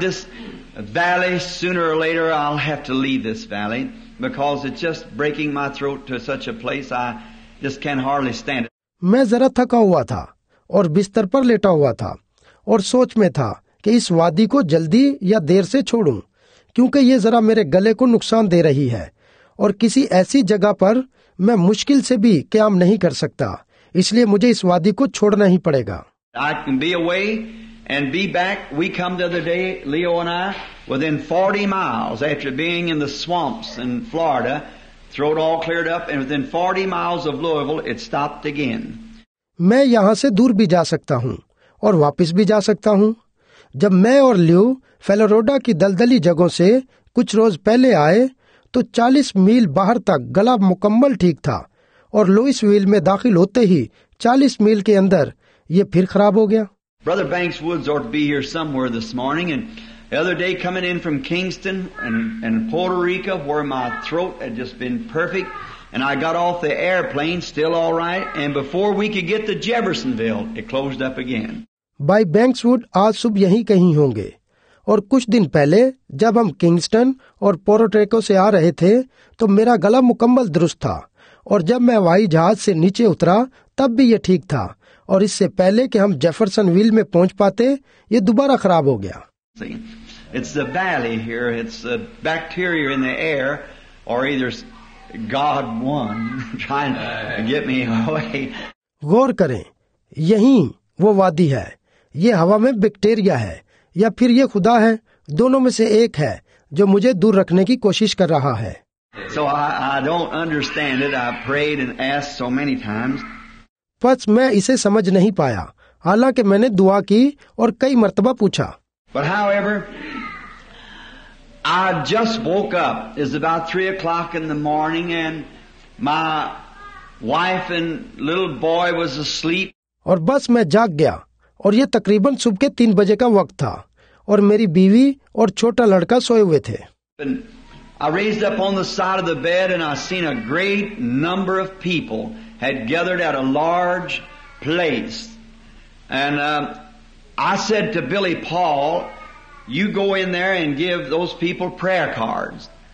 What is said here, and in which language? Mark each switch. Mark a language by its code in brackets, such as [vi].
[en] This valley, sooner or later I'll have to leave this valley because it's just breaking my throat to such a place I just can't hardly stand it. [hi] मैं जरा थका हुआ था और बिस्तर पर लेटा हुआ था और सोच में था कि इस वादी को जल्दी या देर से छोड़ूं क्योंकि ये जरा मेरे गले को नुकसान दे रही है और किसी ऐसी जगह पर मैं मुश्किल से भी काम नहीं कर सकता, इसलिए मुझे इस वादी को छोड़ना ही पड़ेगा। [en] I can be away and be back. We come the other day, Leo and I, within 40 miles after being in the swamps in Florida. Throat all cleared up, and within 40 miles of Louisville, it stopped again. [hi] मैं यहाँ से दूर भी जा सकता हूँ और वापिस भी जा सकता हूँ। जब मैं और लियो फेलोरोडा की दलदली जगहों से कुछ रोज पहले आए तो 40 मील बाहर तक गला मुकम्मल ठीक था और लुइसविल में दाखिल होते ही 40 मील के अंदर ये फिर खराब हो गया। [en] Brother Banks Woods ought to be here somewhere this morning, and the other day coming in from Kingston and Puerto Rico, where my throat had just been perfect, And I got off the airplane, still all right, and before we could get to Jeffersonville, it closed up again. [hi] भाई banks would आज सुबह यहीं कहीं होंगे और कुछ दिन पहले जब हम किंगस्टन और पोर्टोरिको से आ रहे थे तो मेरा गला मुकम्मल दुरुस्त था और जब मैं हवाई जहाज से नीचे उतरा तब भी ये ठीक था और इससे पहले कि हम जेफरसन विल में पहुंच पाते ये दोबारा खराब हो गया. [en] It's the valley here. It's the bacteria in the air, or either God one trying to get me away. [hi] गौर करें, यहीं वो वादी है, ये हवा में बैक्टीरिया है या फिर ये खुदा है, दोनों में से एक है जो मुझे दूर रखने की कोशिश कर रहा है. [en] So I don't understand it. I prayed and asked so many times. [hi] पर मैं इसे समझ नहीं पाया, हालांकि मैंने दुआ की और कई मर्तबा पूछा. [en] But however, I just woke up. It's about 3 o'clock in the morning, and my wife and little boy was asleep. [hi] और बस मैं जाग गया, और ये तकरीबन सुबह के 3 बजे का वक्त था, और मेरी बीवी और छोटा लड़का सोए हुए थे. [en] And I raised up on the side of the bed, and I seen a great number of people had gathered at a large place, and I said to Billy Paul, "You go in there and give those people prayer cards."